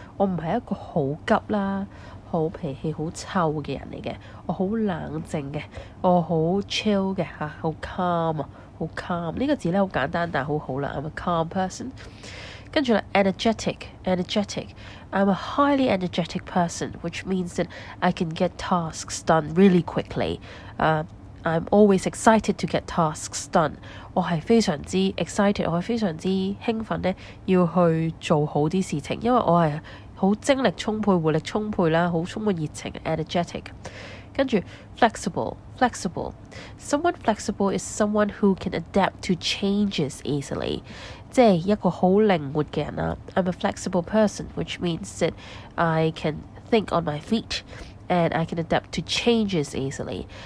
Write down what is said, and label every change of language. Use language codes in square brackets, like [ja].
[yue] 我唔係一個好急啦，好脾氣好臭嘅人嚟嘅。我好冷靜嘅，我好 chill 嘅嚇，好 calm 啊，好 calm。呢個字咧好簡單，但係好好啦。 [en] I'm a calm person. [yue] 跟住咧 [en] energetic. I'm a highly energetic person, which means that I can get tasks done really quickly. I'm always excited to get tasks done. [yue] 我係非常之 excited， 我係非常之興奮咧，要去做好啲事情，因為我係好精力充沛、活力充沛啦，好充滿熱情 ，energetic。跟住 flexible. [en] Someone flexible is someone who can adapt to changes easily. [yue] 即係一個好靈活嘅人啦。 [en] I'm a flexible person, which means that I can think on my feet and I can adapt to changes easily.